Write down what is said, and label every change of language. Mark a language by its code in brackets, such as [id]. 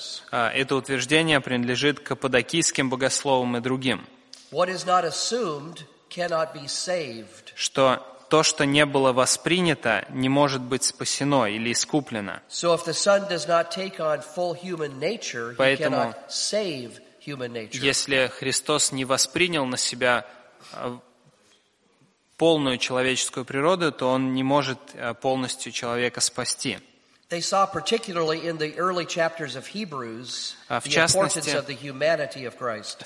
[ru] Это утверждение принадлежит каппадокийским богословам и другим. [en] What is not assumed cannot be saved. [ru] Что то, что не было воспринято, не может быть спасено или искуплено. [en] So if the Son does not take on full human nature, he cannot save human nature. [ru] Если Христос не воспринял на себя полную человеческую природу, то он не может полностью человека спасти. [en] They saw particularly in the early chapters of Hebrews the importance of the humanity of Christ.